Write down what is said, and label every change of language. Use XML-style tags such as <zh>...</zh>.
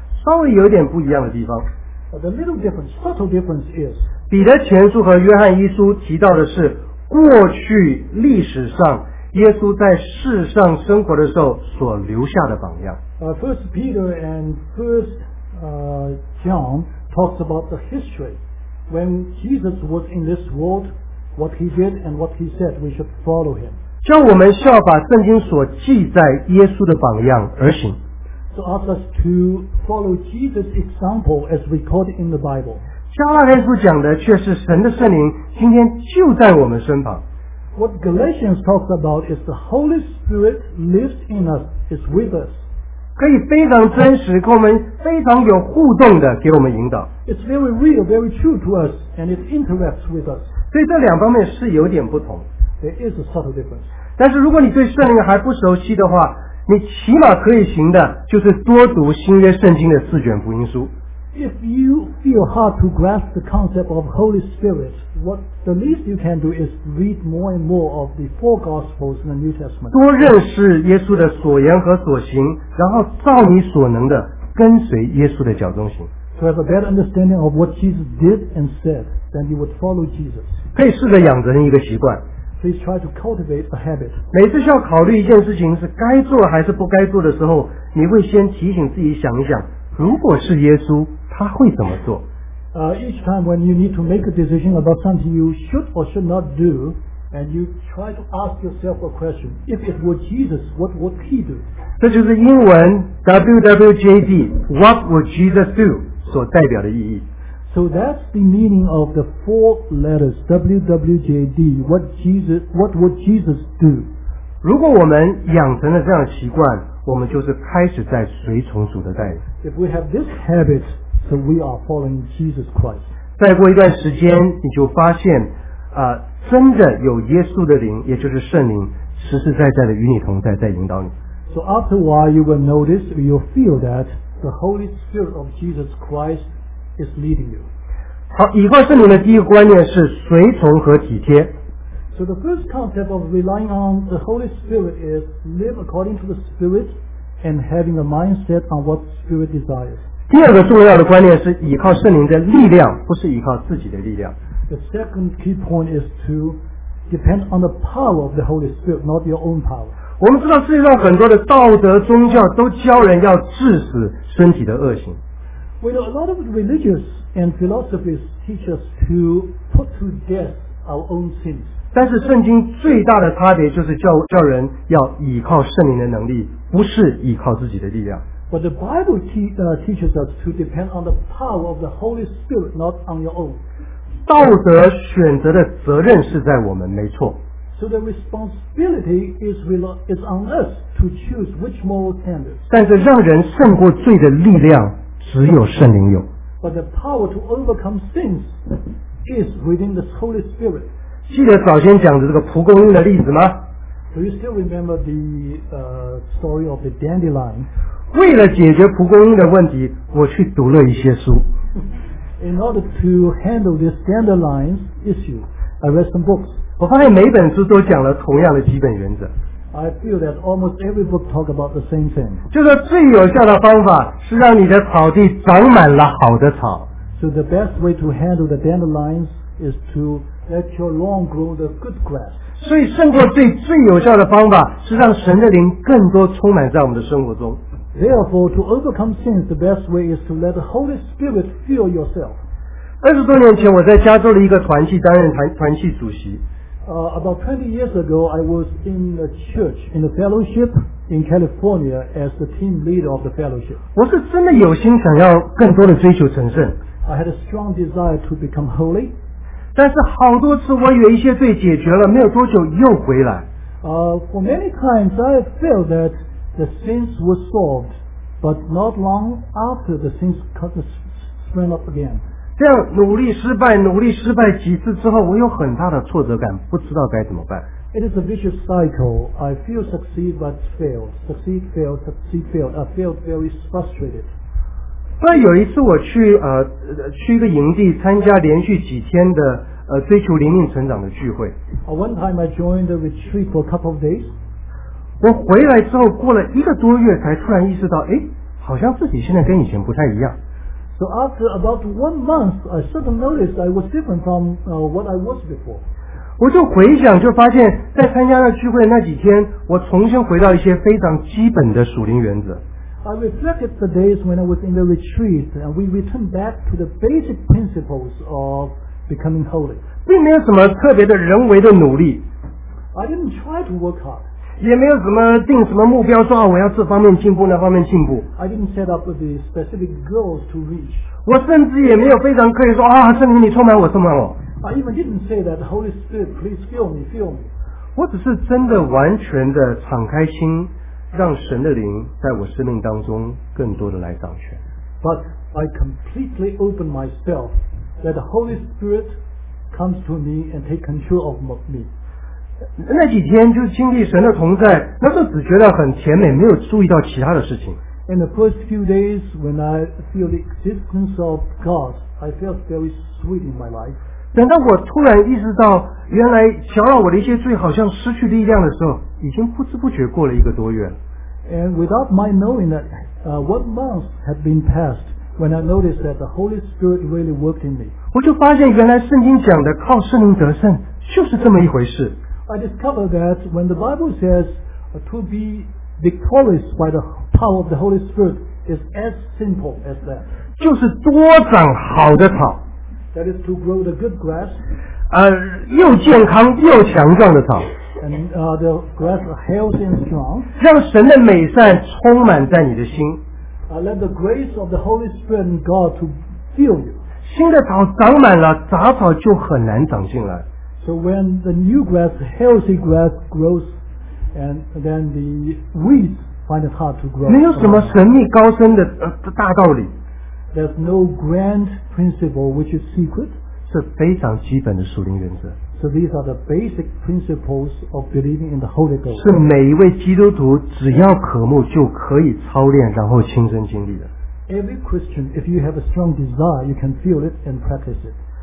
<zh>稍微有点不一样的地方。</zh> <en>The little difference, subtle difference is,</en> <zh>彼得前书和约翰一书提到的是过去历史上耶稣在世上生活的时候所留下的榜样。</zh> <en>First Peter and First John talks about the history when Jesus was in this world, what he did and what he said. We should follow him.</en> <zh>叫我们效法圣经所记载耶稣的榜样而行。</zh> <en>So ask us to follow Jesus' example as recorded in the Bible.</en> <zh>加拉太书讲的却是神的圣灵今天就在我们身旁。</zh> <en>What Galatians talks about is the Holy Spirit lives in us, is with us.</en> <zh>可以非常真实，跟我们非常有互动的给我们引导。</zh> <en>It's very real, very true to us, and it interacts with us.</en> <zh>所以这两方面是有点不同。</zh> <en>There is a subtle difference.</en> <zh>但是如果你对圣灵还不熟悉的话，你起码可以行的就是多读新约圣经的四卷福音书。</zh> <en>If you feel hard to grasp the concept of Holy Spirit, what the least you can do is read more and more of the four Gospels in the New Testament.</en> <zh>多认识耶稣的所言和所行，然后照你所能的跟随耶稣的脚中行。</zh> <en>To have a better understanding of what Jesus did and said, then you would follow Jesus.</en> <zh>可以试着养成一个习惯。</zh> <en>Please try to cultivate a habit.</en> <zh>每次需要考虑一件事情是该做还是不该做的时候，你会先提醒自己想一想。如果是耶稣他会怎么做</zh> <en>each time when you need to make a decision about something you should or should not do and you try to ask yourself a question if it were Jesus what would he do</en> <zh>这就是英文 WWJD</zh> <en>what would Jesus do</en> <zh>所代表的意义</zh> <en>so that's the meaning of the four letters WWJD what would Jesus do</en> <zh>如果我们养成了这样的习惯我们就是开始在随从主的带领。</zh> <en>If we have this habit, so we are following Jesus Christ.</en> <zh>再过一段时间，你就发现，真的有耶稣的灵，也就是圣灵，实实在在的与你同在，在引导你。</zh> <en>So after a while, you will notice, you will feel that the Holy Spirit of Jesus Christ is leading you.</en> <zh>好，以赫圣灵的第一个观念是随从和体贴。</zh> <en>So the first concept of relying on the Holy Spirit is live according to the Spirit and having a mindset on what Spirit desires.</en> <zh>第二个重要的观念是依靠圣灵的力量，不是依靠自己的力量。</zh> <en>The second key point is to depend on the power of the Holy Spirit, not your own power.</en> <zh>我们知道世界上很多的道德宗教都教人要致死身体的恶行。</zh> <en>We know a lot of religious and philosophies teach us to put to death our own sins.</en> <zh>但是圣经最大的差别就是 叫人要倚靠圣灵的能力不是倚靠自己的力量</zh> <en>But the Bible teaches us to depend on the power of the Holy Spirit not on your own</en> <zh>道德选择的责任是在我们没错</zh> <en>So the responsibility is on us to choose which moral standards</en> <zh>但是让人胜过罪的力量只有圣灵有</zh> <en>But the power to overcome sins is within the Holy Spirit</en> <zh>记得早先讲的这个蒲公英的例子吗</zh> <en>Do you still remember the story of the dandelion?</en> <zh>为了解决蒲公英的问题，我去读了一些书。</zh> <en>In order to handle this dandelion issue, I read some books.</en> <zh>我发现每本书都讲了同样的基本原则。</zh> <en>I feel that almost every book talks about the same thing.</en> <zh>就是最有效的方法是让你的草地长满了好的草。</zh> <en>So the best way to handle the dandelions is to let your lawn grow the good grass.</en> <zh>所以胜过罪最有效的方法是让神的灵更多充满在我们的生活中。</zh> <en>Therefore, to overcome sins, the best way is to let the Holy Spirit fill yourself.</en> <zh>20多年前我在加州的一个团契担任团契主席。</zh> <en>About 20 years ago, I was in a church, in a fellowship in California as the team leader of the fellowship.</en> <zh>我是真的有心想要更多的追求成圣。</zh> <en>I had a strong desire to become holy.</en> <zh>但是好多次我以为一些罪解决了，没有多久又回来。</zh> <en>For many times, I felt that the sins were solved, but not long after the sins sprang up again.</en> <zh>这样努力失败几次之后，我有很大的挫折感，不知道该怎么办。</zh> <en>It is a vicious cycle. I feel succeed but fail. Succeed, fail, succeed, fail. I feel very frustrated.</en> <zh>那有一次我去一个营地参加连续几天的追求灵命成长的聚会。</zh> <en>One time I joined a retreat for a couple of days.</en> <zh>我回来之后过了一个多月才突然意识到，好像自己现在跟以前不太一样。</zh> <en>So after about 1 month, I suddenly noticed I was different from what I was before.</en> <zh>我就回想，就发现，在参加了聚会那几天，我重新回到一些非常基本的属灵原则。</zh> <en>I reflected the days when I was in the retreat, and we returned back to the basic principles of becoming holy.</en> <zh>并没有什么特别的人为的努力。</zh> <en>I didn't try to work hard.</en> <zh>也没有什么定什么目标，说我要这方面进步，那方面进步。</zh> <en>I didn't set up the specific goals to reach.</en> <zh>我甚至也没有非常刻意说圣灵你充满我，充满我。</zh> <en>I even didn't say that, Holy Spirit, please fill me, fill me.</en> <zh>我只是真的完全的敞开心，让神的灵在我生命当中更多的来掌权。</zh> <en>But I completely opened myself, that the Holy Spirit comes to me and take control of me.</en> <zh>那几天就经历神的同在，那时候只觉得很甜美，没有注意到其他的事情。</zh> <en>In the first few days, when I feel the existence of God, I felt very sweet in my life.</en> <zh>等到我突然意识到，原来搅扰我的一些罪好像失去力量的时候，已经不知不觉过了一个多月了。</zh> <en>And without my knowing that, what months had been passed, when I noticed that the Holy Spirit really worked in me,</en> <zh>我就发现原来圣经讲的靠圣灵得胜就是这么一回事。</zh> <en>I discovered that when the Bible says to be victorious by the power of the Holy Spirit is as simple as that.</en> <zh>就是多长好的草。</zh> <en>That is to grow the good grass.</en> <zh>又健康又强壮的草。</zh> <en>And the grass are healthy and strong.</en> <zh>让神的美善充满在你的心。</zh> <en>Let the grace of the Holy Spirit and God to fill you.</en> <zh>新的草长满了，杂草就很难长进来。</zh> <en>So when the new grass, healthy grass grows, and then the weeds find it hard to grow.</en> <zh>没有什么神秘高深的大道理。</zh> <en>There's no grand principle which is secret.</en> <zh>是非常基本的属灵原则。</zh> <en>So these are the basic principles of believing in the Holy Ghost.</en> <zh>是每一位基督徒只要渴慕就可以操练然后亲身经历的。</zh> <en>Every Christian, if you have a strong desire, you can feel it and practice it.</en>